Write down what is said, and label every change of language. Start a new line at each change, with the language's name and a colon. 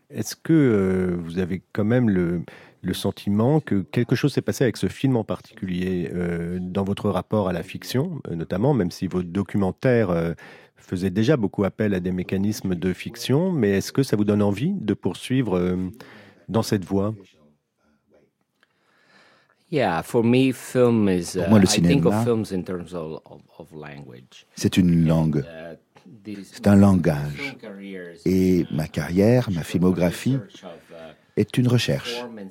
French: Est-ce que vous avez quand même le sentiment que quelque chose s'est passé avec ce film en particulier dans votre rapport à la fiction, notamment, même si votre documentaire faisait déjà beaucoup appel à des mécanismes de fiction, mais est-ce que ça vous donne envie de poursuivre dans cette voie ?
English: Yeah, for me, film is.
French: Pour moi, le cinéma,
English: I think of films in terms of language.
French: C'est une langue. C'est un langage. Et ma carrière, ma filmographie, est une recherche.